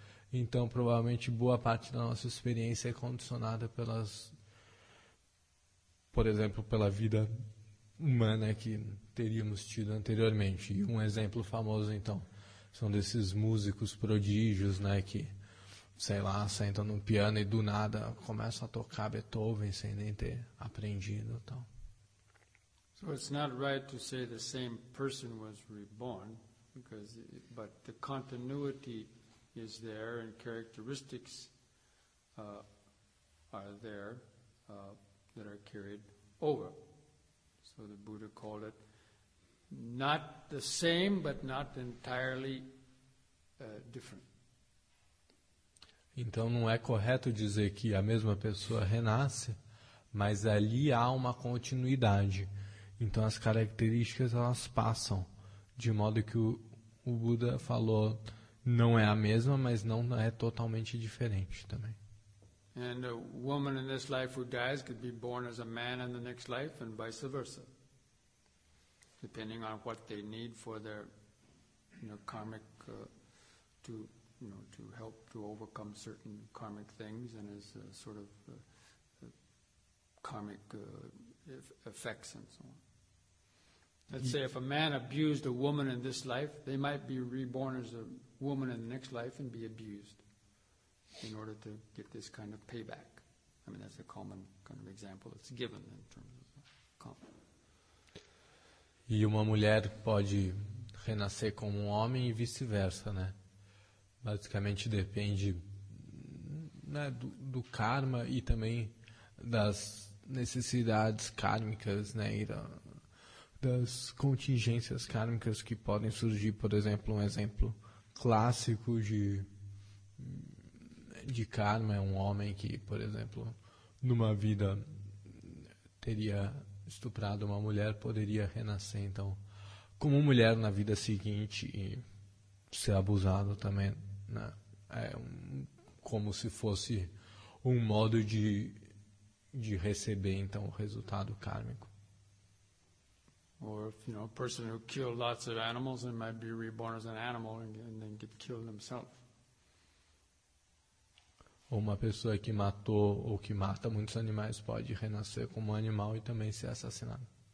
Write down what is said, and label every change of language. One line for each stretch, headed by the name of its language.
Portuguese: Então, provavelmente, boa parte da nossa experiência é condicionada pelas, por exemplo, pela vida humana que teríamos tido anteriormente. E um exemplo famoso, então, são desses músicos prodígios, né, que, sei lá, sentam no piano e do nada começam a tocar Beethoven sem nem ter aprendido. Então,
English: so it's not right to say the same person was reborn, because but the continuity is there and characteristics are there that are carried over. So the Buddha called it not the same, but not entirely different.
Portuguese: Então, não é correto dizer que a mesma pessoa renasce, mas ali há uma continuidade. Então, as características, elas passam, de modo que o Buda falou, não é a mesma, mas não é totalmente diferente também.
English: And a woman in this life who dies could be born as a man in the next life and vice versa, depending on what they need for their, you know, karmic to, you know, to help to overcome certain karmic things and as a sort of karmic effects and so on. Let's say if a man abused a woman in this life, they might be reborn as a woman in the next life and be abused in order to get this kind of payback. I mean, that's a common kind of example that's given in terms of karma.
Portuguese: E uma mulher pode renascer como um homem e vice-versa, né? Basicamente depende, né, do karma e também das necessidades kármicas, né, e das contingências kármicas que podem surgir. Por exemplo, um exemplo clássico de karma é um homem que, por exemplo, numa vida teria estuprado uma mulher, poderia renascer então como mulher na vida seguinte e ser abusado também. É como se fosse um modo de receber então o resultado kármico.
English: Or if, you know, a person who killed lots of animals and might be reborn as an animal and then get killed himself.
Portuguese: Ou uma pessoa que matou ou que mata muitos animais pode renascer como um animal e também ser assassinado.